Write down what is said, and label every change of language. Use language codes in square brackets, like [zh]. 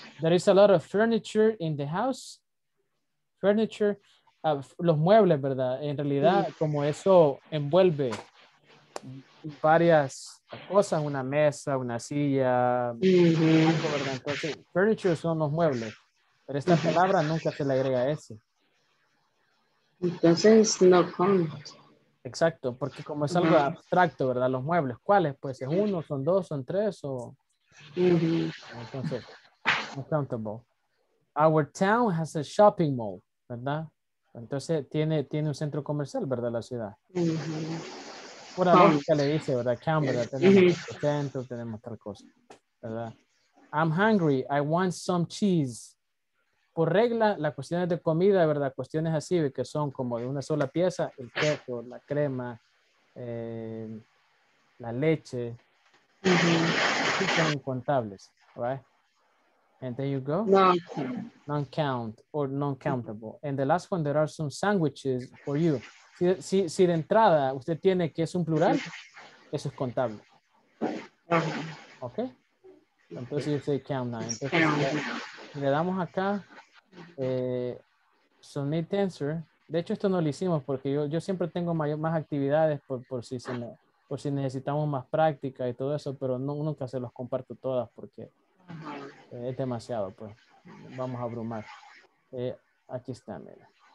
[en] There is a lot of furniture in the house. [es] Furniture. Los muebles, ¿verdad? En realidad, sí, como eso envuelve varias cosas, una mesa, una silla, uh-huh, ¿verdad? Entonces, furniture son los muebles, pero esta, uh-huh, palabra nunca se le agrega ese. Entonces, no count. Exacto, porque como es algo, uh-huh, abstracto, ¿verdad? Los muebles, ¿cuáles? Pues es uno, son dos, son tres, o... Uh-huh. [en] Entonces, uncountable. Our town has a shopping mall, ¿verdad? [es] Entonces, tiene un centro comercial, ¿verdad? La ciudad. Uh-huh. Pura lógica le dice, ¿verdad? Cambia, tenemos centro, tenemos tal cosa, ¿verdad? [en] I'm hungry, I want some cheese. [es] Por regla, las cuestiones de comida, ¿verdad? Cuestiones así, que son como de una sola pieza, el queso, la crema, la leche, uh-huh, son incontables, ¿right? [en] And there you go. Non-count or non-countable. And the last one, there are some sandwiches for you. [es] Si de entrada usted tiene que es un plural, eso es contable. Okay. Entonces yo say count now. Entonces le damos acá submit answer. De hecho, esto no lo hicimos porque yo siempre tengo más actividades por si necesitamos más práctica y todo eso, pero no, nunca se los comparto todas porque es demasiado, pues. Vamos a abrumar. Aquí está, mira.